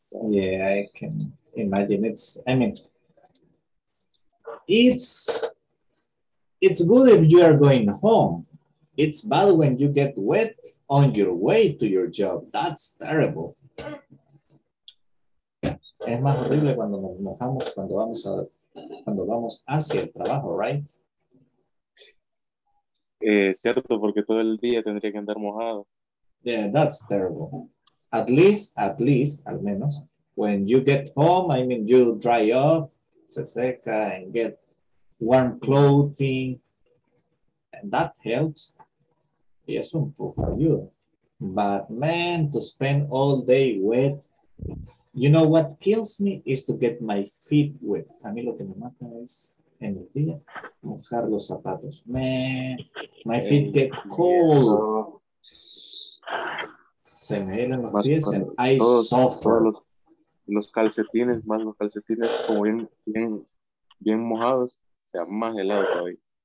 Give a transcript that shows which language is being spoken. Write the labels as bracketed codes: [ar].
[en] Yeah, I can imagine it's good if you are going home. It's bad when you get wet on your way to your job. That's terrible. [es] Es más horrible cuando nos mojamos cuando vamos hacia el trabajo, right? Cierto, porque todo el día tendría que andar mojado. [en] Yeah, that's terrible. At least, [es] al menos, [en] when you get home, I mean, you dry off, [es] se seca, [en] and get warm clothing. And that helps. Yes, [es] un poco ayuda. [en] But man, to spend all day wet. You know what kills me is to get my feet wet. [es] A mí lo que me mata es en el día mojar los zapatos. [en] Man, my feet get cold. [es] Se me helan los más pies [en] and I suffer. [es] Los calcetines como bien mojados, o sea, más helado todavía.